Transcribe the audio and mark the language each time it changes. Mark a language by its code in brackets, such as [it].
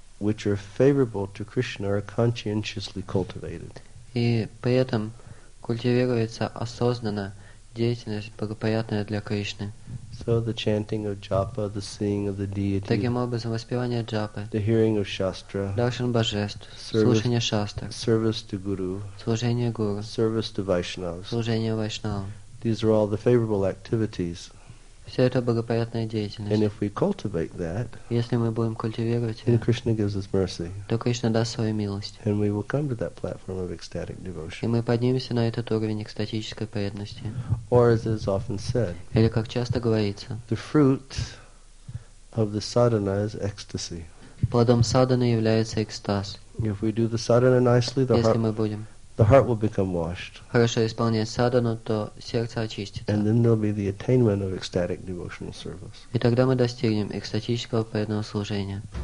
[en] which are favorable to Krishna are conscientiously cultivated. [ru] И при этом культивируется осознанно деятельность благоприятная для Кришны. [en] So the chanting of japa, the singing of the deity. [ru] Таким образом, воспевание джапы. [en] The hearing of shastra. [ru] Даршан божеств. Слушание шастр. [en] Service to guru. [ru] Служение гуру. [en] Service to Vaishnavas. [ru] Служение вайшнавам. [en] These are all the favorable activities. [ru] Все это благоприятная деятельность. [en] And if we cultivate that, [ru] если мы будем культивировать, [en] then Krishna gives us mercy. [ru] То Кришна даст свою милость. [en] And we will come to that platform of ecstatic devotion. [ru] И мы поднимемся на этот уровень экстатической преданности. [en] Or as is often said, [ru] или как часто говорится, [en] the fruit of the sadhana is ecstasy. [ru] Плодом садханы является экстаз. [en] If we do the sadhana nicely, the [ru] если мы будем [en] the heart will become washed. [ru] Хорошо исполнять садхану, то сердце очистится. [en] And then there'll be the attainment of ecstatic devotional service. [ru] И тогда мы достигнем экстатического преданного служения.